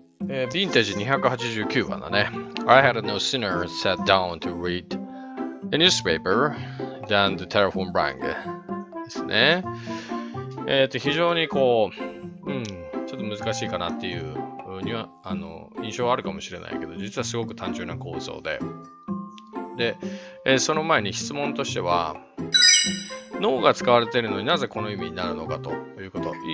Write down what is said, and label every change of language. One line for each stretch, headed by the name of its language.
Japanese: Vintage 289番だね。
English: I had no sooner sat down to read the newspaper than the telephone rang
Japanese: ですね。非常にこう、ちょっと難しいかなっていうには、印象はあるかもしれないけど、実はすごく単純な構造で。で、その前に質問としては、脳が使われているのになぜこの意味になるのかということ。